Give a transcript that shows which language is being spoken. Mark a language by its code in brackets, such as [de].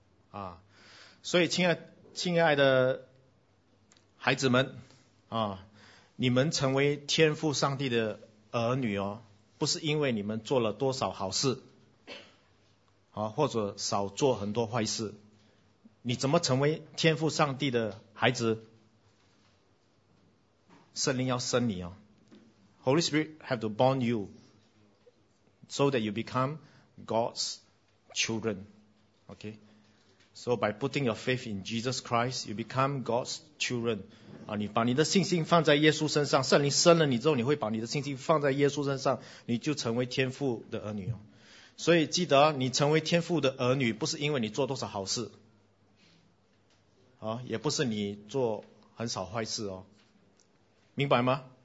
[zh] 啊，所以亲爱的孩子们。啊，你们成为天父上帝的儿女哦，不是因为你们做了多少好事，啊，或者少做很多坏事。你怎么成为天父上帝的孩子？圣灵要生你哦 [en] ，Holy Spirit have to born you so that you become God's children. Okay, so by putting your faith in Jesus Christ, you become God's children. [zh] 啊，你把你的信心放在耶稣身上，圣灵生了你之后，你会把你的信心放在耶稣身上，你就成为天父的儿女哦。所以记得，你成为天父的儿女，不是因为你做多少好事，啊，也不是你做很少坏事哦，明白吗？